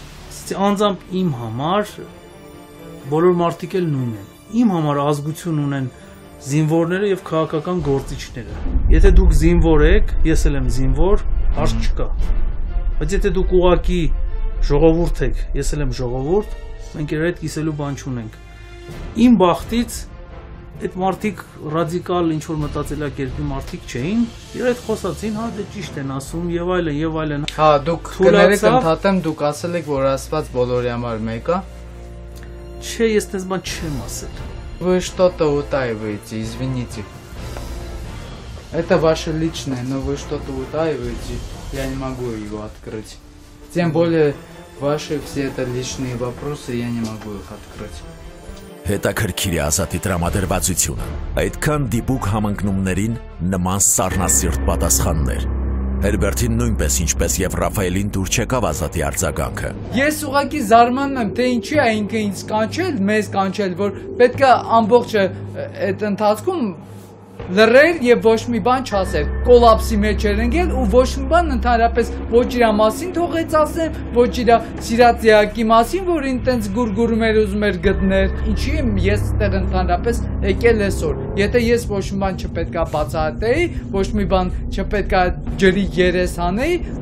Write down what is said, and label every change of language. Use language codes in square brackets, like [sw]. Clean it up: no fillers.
[hy] ասեցի անձամբ իմ համար, բոլոր մարդիկ էլ նույն են, իմ համար ազգություն ունեն զինվորները և քաղաքական գործիչները, եթե դուք զինվոր եք, ես էլ եմ զինվոր, հարց չկա, բայց եթե դուք ուղղակի ժողովուրդ եք, ես էլ եմ ժողովուրդ, մենք իրար հետ կիսելու բան չունենք։ Իմ բախտից այդ մարդիկ ռադիկալ ինչ-որ մտածելակերպի մարդիկ չէին, իրար հետ խոսացին, հա դե ճիշտ են ասում, և այլն, և այլն։ Հա, դուք կներեք, ընդհատեմ, դուք ասել եք, որ Աստված բոլորի համար մեկ է։ Չէ, ես դες բան չեմ ասել։ [ru] Вы что-то утаиваете, извините. Это ваше личное, но вы что-то утаиваете, я не могу его открыть. Тем более, ваши все это личные вопросы, я не могу их открыть. [hy] Հետաքրքիր է Ազատի տրամադրվածությունը, այդքան դիպուկ համընկնումներին նման սառնասիրտ պատասխաններ։ Հերբերտին նույնպես ինչպես եւ Ռաֆայելին դուր չեկավ ազատի արձագանքը։ Ես ուղղակի զարմանում եմ, թե ինչի է ինքը ինձ կանչել, մեզ կանչել, որ պետք է ամբողջը այդ ընթացքում լռել եւ ոչ մի բան չասել, կոլապսի մեջ ընկել ու ոչ մի բան ընդհանրապես ոչ իր մասին թողեց ասել, ոչ իր սիրած երեխայի մասին, որ ինքն էլ գուրգուրում էր ուզում էր գտնել։ Ինչի՞ եմ ես այդտեղ ընդհանրապես եկել այսօր։ Եթե ես ոչ մի բան չպետքա բացահայտեի, ոչ մի բան չպետքա ջրի երես անեի,